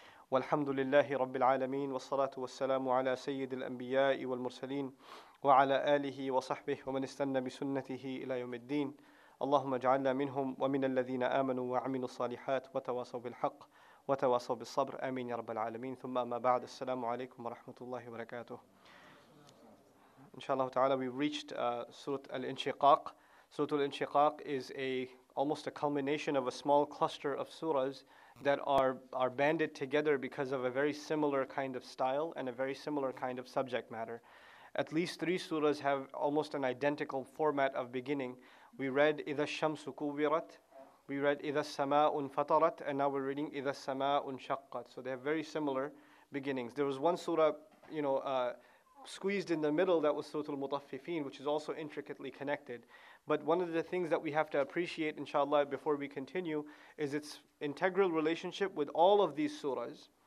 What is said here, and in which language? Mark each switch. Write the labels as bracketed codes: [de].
[ar] والحمد لله رب العالمين والصلاة والسلام على سيد الأنبياء والمرسلين وعلى آله وصحبه ومن استنى بسنته إلى يوم الدين اللهم اجعلنا منهم ومن الذين آمنوا وعملوا الصالحات وتواصوا بالحق وتواصوا بالصبر آمين يا رب العالمين ثم أما بعد السلام عليكم ورحمة الله وبركاته إن شاء الله تعالى [en] we reached [ar] سورة الانشقاق. [en] سورة الانشقاق is almost a culmination of a small cluster of surahs that are banded together because of a very similar kind of style and a very similar kind of subject matter. At least three surahs have almost an identical format of beginning. We read [ar] إِذَا الشَّمْسُ كُوِّرَتْ. We read إِذَا السَّمَاءُ انْفَطَرَتْ. [en] And now we're reading [ar] إِذَا السَّمَاءُ انْشَقَّتْ. [en] So they have very similar beginnings. There was one surah, you know, squeezed in the middle, that was Suratul Mutaffifin, which is also intricately connected. But one of the things that we have to appreciate, inshallah, before we continue, is its integral relationship with all of these surahs.